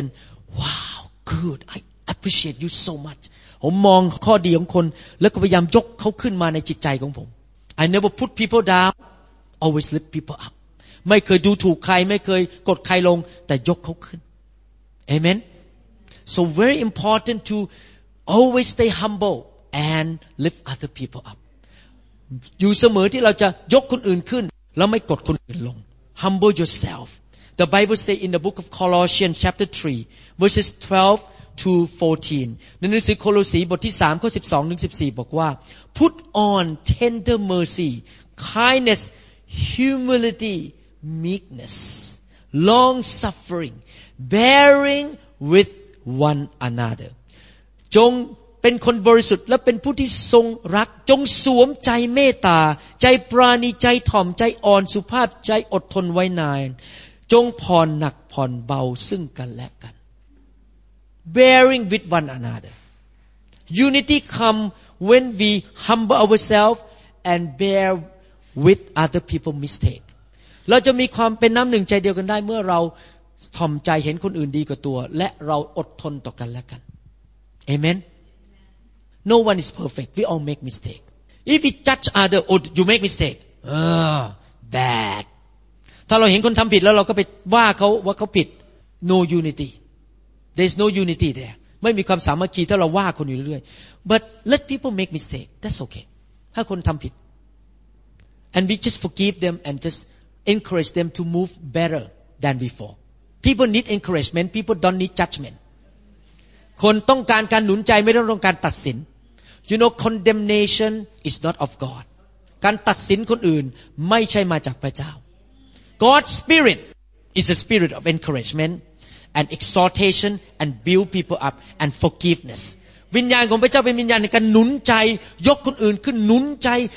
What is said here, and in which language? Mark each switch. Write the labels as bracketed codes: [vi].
[en] And wow, good! I appreciate you so much. [th] ผมมองข้อดีของคนแล้วก็พยายามยกเขาขึ้นมาในจิตใจของผม [en] I never put people down. Always lift people up. [th] ไม่เคยดูถูกใครไม่เคยกดใครลงแต่ยกเขาขึ้น Amen. [en] So very important to always stay humble and lift other people up. [th] อยู่เสมอที่เราจะยกคนอื่นขึ้นแล้วไม่กดคนอื่นลง [en] Humble yourself. The Bible say in the book of Colossians chapter 3 verses 12 to 14. [th] ในหนังสือโคโลสีบทที่3ข้อ12ถึง14บอกว่า [en] Put on tender mercy, kindness, humility, meekness, long suffering, bearing with one another. [th] จงเป็นคนบริสุทธิ์และเป็นผู้ที่ทรงรักจงสวมใจเมตตาใจปราณีใจถ่อมใจอ่อนสุภาพใจอดทนไว้นานจงผ่อนหนักผ่อนเบาซึ่งกันและกัน [en] bearing with one another unity come when we humble ourselves and bear with other people's mistake. [th] เราจะมีความเป็นน้ำหนึ่งใจเดียวกันได้เมื่อเราถ่อมใจเห็นคนอื่นดีกว่าตัวและเราอดทนต่อกันและกัน Amen. [en] No one is perfect. We all make mistake. If we judge other, oh, you make mistake. Bad. [th] ถ้าเราเห็นคนทำผิดแล้วเราก็ไปว่าเขาว่าเขาผิด [en] No unity. There's no unity there. [th] ไม่มีความสามัคคีถ้าเราว่าคนอยู่เรื่อย [en] but let people make mistake that's okay [th] ถ้าคนทำผิด [en] and we just forgive them and just encourage them to move better than before people need encouragement people don't need judgment [th] คนต้องการการหนุนใจไม่ต้องการตัดสิน [en] you know condemnation is not of God [th] การตัดสินคนอื่นไม่ใช่มาจากพระเจ้า [en] God's spirit is a spirit of encouragementand exhortation and build people up and forgiveness [th] วิญญาณของพระเจ้าเป็นวิญญาณในการหนุนใจยกคนอื่นขึ้นหนุนใจ